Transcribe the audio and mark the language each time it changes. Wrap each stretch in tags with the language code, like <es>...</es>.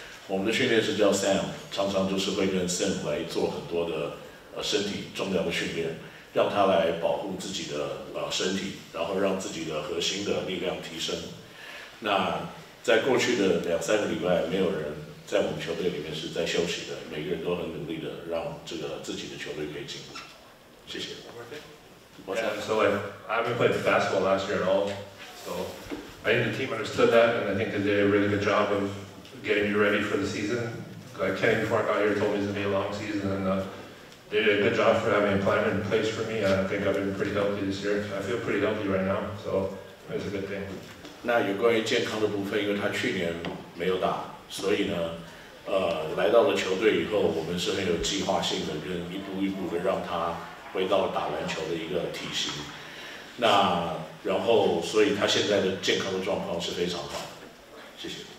<zh>我们的训练是叫 Sam， 常常就是会跟 Sim 来做很多的身体重量的训练，让他来保护自己的身体，然后让自己的核心的力量提升。那在过去的两三个礼拜，没有人在我们球队里面是在休息的，每个人都很努力的让这个自己的球队可以进步。谢谢。</zh> <en>So like, I haven't played basketball last year at all, so I think the team understood that, and I think they did a really good job of getting you ready for the season. Like Kenny, before I got here, told me it's gonna be a long season, and they did a good job for having a plan in place for me. I think I've been pretty healthy this year. I feel pretty healthy right now, so it's a good thing.</en> <zh>那有关于健康的部分，因为他去年没有打，所以呢，来到了球队以后，我们是很有计划性的，跟一步一步的让他回到打篮球的一个体型，那然后所以他现在的健康的状况是非常好的，谢谢。</zh>